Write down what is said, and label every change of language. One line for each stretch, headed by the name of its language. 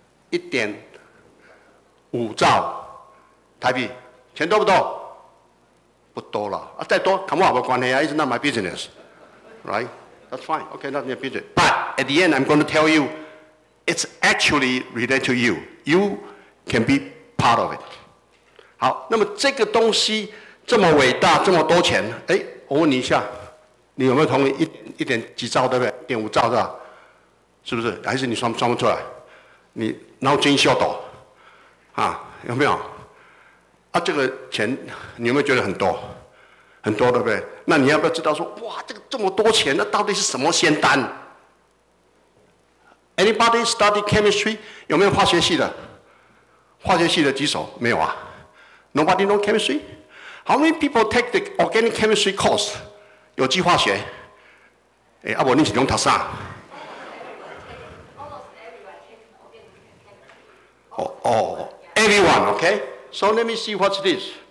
Chinese: 1.5兆台币，钱多不多？不多了啊，再多 ，
English: Come on，
Chinese: 没关系啊 ，
English: It's not my business， right？ That's fine， OK， that's not your business。 But at the end， I'm going to tell you， it's actually related to you， you can be part of it。
Chinese: 好，那么这个东西这么伟大，这么多钱，哎，我问你一下。你有没有同意1.几兆对不对？ 1.5兆是吧？是不是？还是你算不出来？你脑筋秀抖啊？有没有？啊，这个钱你有没有觉得很多？很多对不对？那你要不要知道说，哇，这个这么多钱，那到底是什么仙丹 ？
English: Anybody study chemistry？
Chinese: 有没有化学系的？化学系的举手，没有啊 ？
English: Nobody know chemistry？ How many people take the organic chemistry course？
Chinese: 有机化学，哎，阿伯，你是用读啥？
English: 哦哦 ，everyone， OK。So let me see what's this。